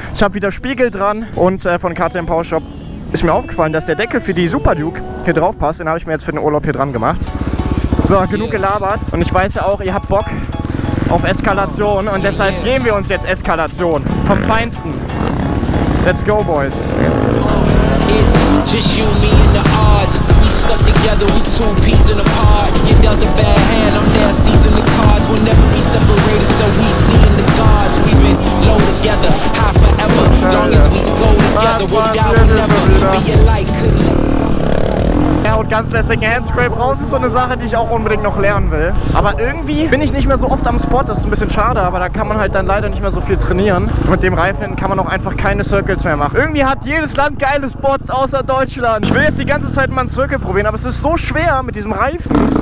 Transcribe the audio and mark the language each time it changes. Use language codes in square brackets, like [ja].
[de] Ich habe wieder Spiegel dran und von KTM Power Shop ist mir aufgefallen, dass der Deckel für die Super Duke hier drauf passt. Den habe ich mir jetzt für den Urlaub hier dran gemacht. So, genug gelabert und ich weiß ja auch, ihr habt Bock auf Eskalation und deshalb geben wir uns jetzt Eskalation vom Feinsten. [en] Let's go, Boys. It's just you, me and the odds. We stuck together, we two peas in a pod. You dealt the bad hand, I'm there seizing the cards. We'll never be separated till we see in the gods. We've been low together, high forever. Long as we go together, we'll die, we'll never be alike. [de] Ja, und ganz lässig, ein Handscrape raus ist so eine Sache, die ich auch unbedingt noch lernen will. Aber irgendwie bin ich nicht mehr so oft am Spot, das ist ein bisschen schade, aber da kann man halt dann leider nicht mehr so viel trainieren. Mit dem Reifen kann man auch einfach keine Circles mehr machen. Irgendwie hat jedes Land geile Spots außer Deutschland. Ich will jetzt die ganze Zeit mal einen Circle probieren, aber es ist so schwer mit diesem Reifen.